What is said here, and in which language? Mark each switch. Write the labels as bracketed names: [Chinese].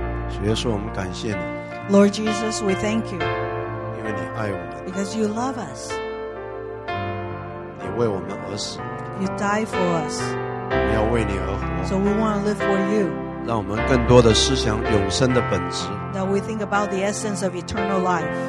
[Chinese] 主耶稣，我们感谢你。 [English] Lord Jesus, we thank you. [Chinese] 因为你爱我们。 [English] Because you love us. [Chinese] 你为我们而死。 [English] You die for us. [Chinese] 你要为你而活。 [English] So we want to live for you. [Chinese] 让我们更多的思想永生的本质。 [English] That we think about the essence of eternal life.